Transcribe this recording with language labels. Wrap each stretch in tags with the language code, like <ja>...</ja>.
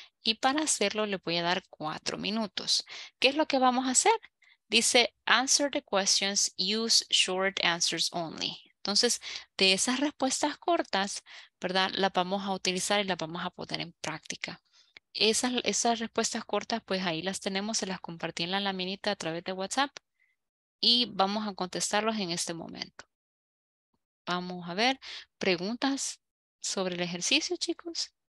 <es>Y para hacerlo, les voy a dar 4 minutos. ¿Qué es lo que vamos a hacer?</es> <en>Dice, answer the questions, use short answers only.</en> <es>Entonces, de esas respuestas cortas, ¿verdad? Las vamos a utilizar y las vamos a poner en práctica. Esas respuestas cortas, pues ahí las tenemos, se las compartí en la laminita a través de WhatsApp y vamos a contestarlos en este momento. Vamos a ver, ¿preguntas sobre el ejercicio, chicos?</es>